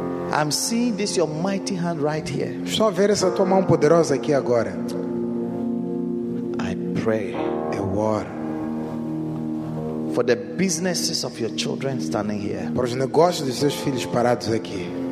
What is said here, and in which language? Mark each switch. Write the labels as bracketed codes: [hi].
[en] I'm seeing this your mighty hand right here. [pt] Estou a ver essa tua mão poderosa aqui agora. [en] I pray, [pt] eu oro, [en] for the businesses of your children standing here. [pt] Para os negócios dos seus filhos parados aqui.